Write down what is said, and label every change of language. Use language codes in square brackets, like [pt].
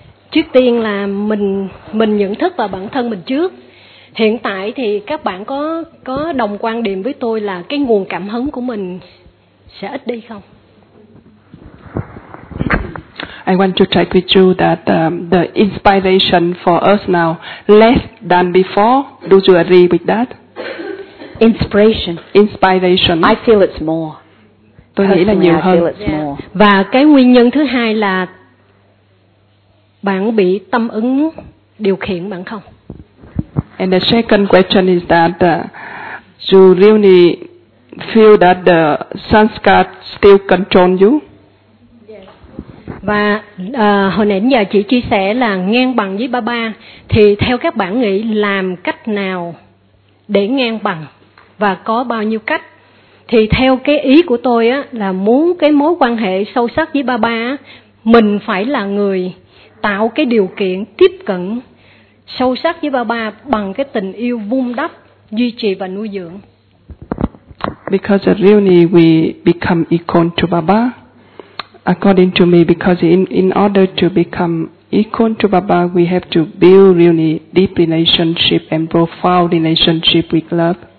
[vi] Trước tiên là mình nhận thức vào bản thân mình trước. Hiện tại thì các bạn có đồng quan điểm với tôi là cái nguồn cảm hứng của mình sẽ ít đi không? [en] I want to check with you that the inspiration for us now less than before. Do you agree with that? Inspiration. I feel it's more. [vi] Tôi nghĩ là nhiều hơn. Và cái nguyên nhân thứ hai là bạn bị tâm ứng điều khiển bạn không? [en] And the second question is that you really feel that the sanskar still control you? [vi] Và hồi nãy giờ chị chia sẻ là ngang bằng với Baba, thì theo các bạn nghĩ làm cách nào để ngang bằng và có bao nhiêu cách? Thì theo cái ý của tôi á, là muốn cái mối quan hệ sâu sắc với Baba, mình phải là người tạo cái điều kiện tiếp cận sâu sắc với Baba bằng cái tình yêu vun đắp, duy trì và nuôi dưỡng. [en] Because really we become equal to Baba. According to me, because in order to become equal to Baba, we have to build really deep relationship and profound relationship with love.